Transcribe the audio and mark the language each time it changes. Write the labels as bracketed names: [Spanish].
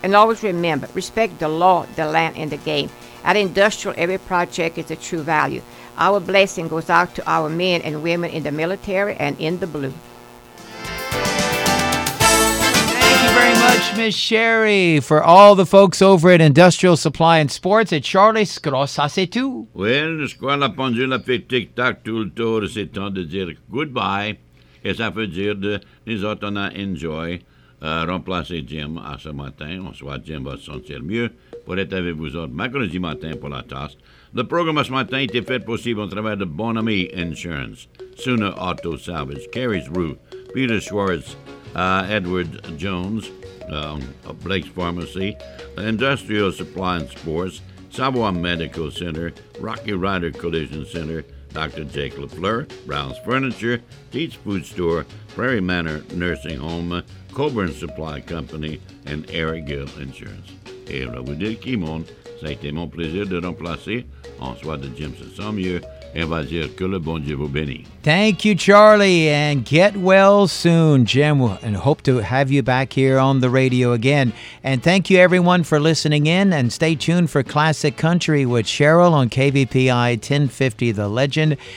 [English] And always remember, respect the law, the land, and the game. At Industrial, every project is a true value. Our blessing goes out to our men and women in the military and in the blue. Thank you very much, Miss Sherry, for all the folks over at Industrial Supply and Sports at Charlie's Cross. [French] Ça, c'est tout. Well, je crois la pendule a fait tic-tac tout le tour. C'est temps de dire goodbye. Et ça veut dire que nous autres, on enjoy remplacer Jim à ce matin. On soit Jim va se sentir mieux pour être avec vous autres mercredi matin pour la tasse. Le programme ce matin était fait possible au travers de Bonami Insurance, Sooner Auto Salvage, Carrie's Roof, Peter Schwartz, Edward Jones, Blake's Pharmacy, Industrial Supply and Sports, Savoy Medical Center, Rocky Rider Collision Center, Dr. Jake LaFleur, Brown's Furniture, Teach Food Store, Prairie Manor Nursing Home, Coburn Supply Company, and Eric Gill Insurance. Et là, vous dites qui monte. Ça a été mon plaisir de remplacer en soi de Jim Sommier et on va dire que le bon Dieu vous bénisse. [English] Thank you, Charlie, and get well soon, Jim, and hope to have you back here on the radio again. And thank you, everyone, for listening in, and stay tuned for Classic Country with Cheryl on KVPI 1050 The Legend.